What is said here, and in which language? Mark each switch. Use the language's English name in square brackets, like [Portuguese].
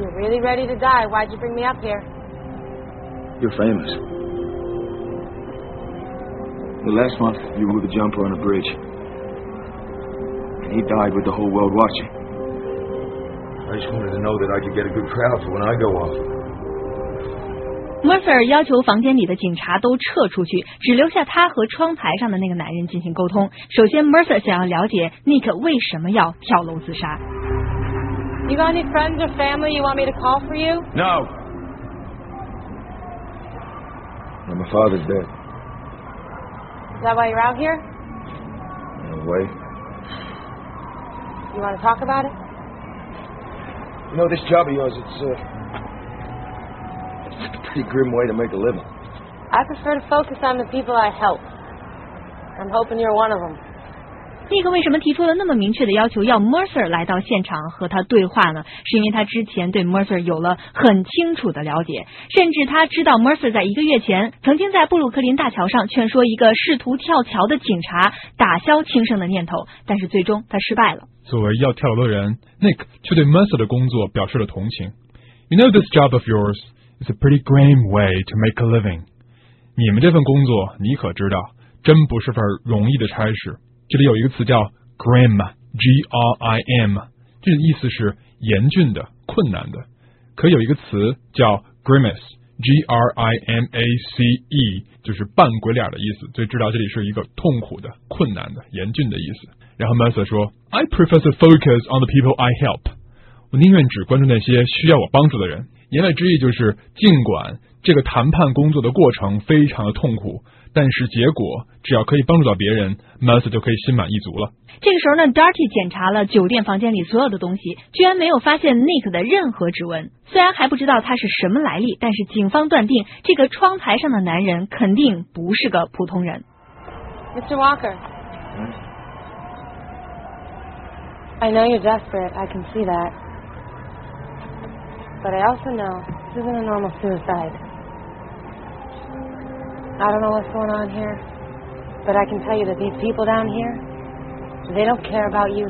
[English] you're really ready to die, why'd you bring me up here? You're famous. Well, last month, you were with a jumper on a bridge. And he died with the whole world watching. I just wanted to know that I could get a good crowd for when I go off. [Chinese] Murphy 要求房间里的警察都撤出去，只留下他和窗台上的那个男人进行沟通。首先 Murphy 想要了解 Nick 为什么要跳楼自杀。 [English] You got any friends or family you want me to call for you? No. My father's dead. Is that why you're out here? No way. You want to talk about it? You know, this job of yours, it's a grim way to make a living. I prefer to focus on the people I help. I'm hoping you're one of them. [Chinese] Nick 为什么提出了那么明确的要求要 Mercer 来到现场和他对话呢？是因为他之前对 Mercer 有了很清楚的了解，甚至他知道 Mercer 在一个月前曾经在布鲁克林大桥上劝说一个试图跳桥的警察打消轻生的念头，但是最终他失败了。作为要跳楼的人， Nick 却对 Mercer 的工作表示了同情。 [English] You know this job of yours? It's a pretty grim way to make a living. [Chinese] 你们这份工作，你可知道，真不是份容易的差事。这里有一个词叫 grim, G-R-I-M, 这意思是严峻的、困难的。可有一个词叫 grimace, G-R-I-M-A-C-E, 就是半鬼脸的意思，所以知道这里是一个痛苦的、困难的、严峻的意思。然后 [English] Mercer 说 I prefer to focus on the people I help. [Chinese] 我宁愿只关注那些需要我帮助的人。言外之意就是，尽管这个谈判工作的过程非常的痛苦，但是结果只要可以帮助到别人 ，Mercer 就可以心满意足了。这个时候呢 ，Darty 检查了酒店房间里所有的东西，居然没有发现 Nick 的任何指纹。虽然还不知道他是什么来历，但是警方断定这个窗台上的男人肯定不是个普通人。 [English] Mr. Walker, I know you're desperate. I can see that. But I also know this isn't a normal suicide. I don't know what's going on here, but I can tell you that these people down here, they don't care about you.